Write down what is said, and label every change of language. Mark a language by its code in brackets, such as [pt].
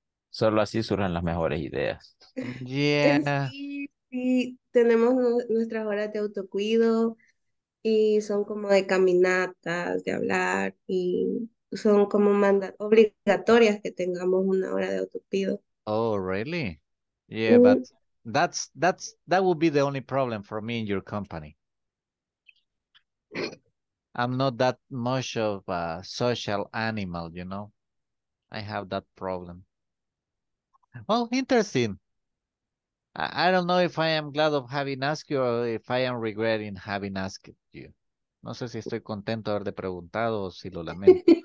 [es] Solo así surgen las mejores ideas. [en] Yeah. [es] Sí, tenemos nuestras horas de autocuido y son como de caminatas, de hablar, y son como obligatorias que tengamos una hora de autocuido. [en] Oh, really? Yeah, mm-hmm. But that would be the only problem for me in your company. I'm not that much of a social animal, you know. I have that problem. Well, interesting. I don't know if I am glad of having asked you or if I am regretting having asked you. [es] No sé si estoy contento de haberte preguntado o si lo lamento.